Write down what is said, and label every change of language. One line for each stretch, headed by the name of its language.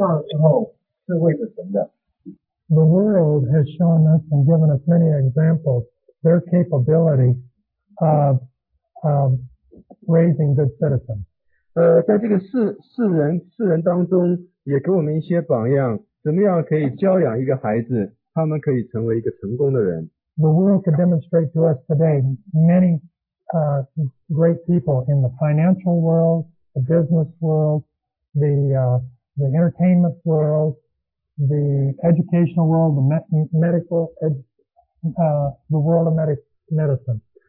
Chinese: 这些交通啊，实在是为了那些人，他们希望他们的儿女将来长大之后是为了什么的。The
English: world has shown us and given us many examples their capability of raising good citizens.
Chinese: 在这个世人当中，也给我们一些榜样，怎么样可以教养一个孩子，他们可以成为一个成功的人。The
English: world can demonstrate to us today many great people in the financial world, the business world, the entertainment world, the educational world, the medical the world of medicine.